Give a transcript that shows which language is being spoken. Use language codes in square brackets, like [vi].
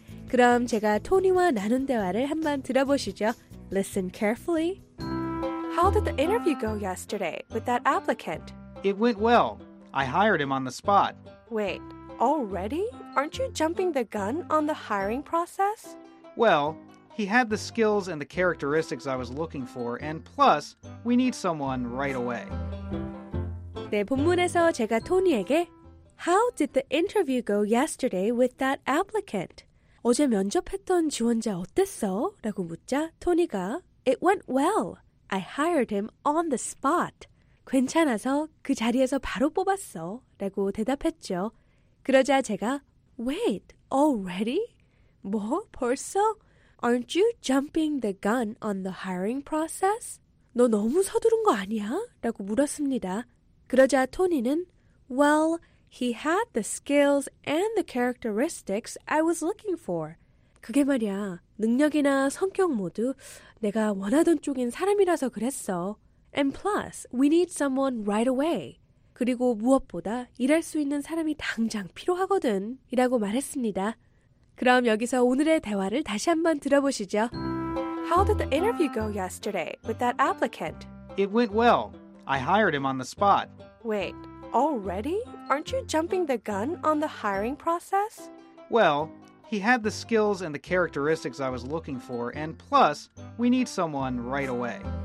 [ko] 그럼 제가 토니와 나눈 대화를 한번 들어보시죠. [en] Listen carefully. How did the interview go yesterday with that applicant? It went well. I hired him on the spot. Wait, already? Aren't you jumping the gun on the hiring process? Well, he had the skills and the characteristics I was looking for, and plus, we need someone right away. [ko] 네, 본문에서 제가 토니에게 [en] How did the interview go yesterday with that applicant? [ko] 어제 면접했던 지원자 어땠어? 라고 묻자 토니가 [en] It went well. I hired him on the spot. [ko] 괜찮아서 그 자리에서 바로 뽑았어. 라고 대답했죠. 그러자 제가 [en] Wait, already? [ko] 뭐? 벌써? [en] Aren't you jumping the gun on the hiring process? [ko] 너 너무 서두른 거 아니야? 라고 물었습니다. 그러자 토니는 [en] Well, he had the skills and the characteristics I was looking for. [ko] 그게 말이야, 능력이나 성격 모두 내가 원하던 쪽인 사람이라서 그랬어. [en] And plus, we need someone right away. [ko] 그리고 무엇보다 일할 수 있는 사람이 당장 필요하거든. 이라고 말했습니다. 그럼 여기서 오늘의 대화를 다시 한번 들어보시죠. [en] How did the interview go yesterday with that applicant? It went well. I hired him on the spot. Wait, already? Aren't you jumping the gun on the hiring process? Well, he had the skills and the characteristics I was looking for, and plus, we need someone right away.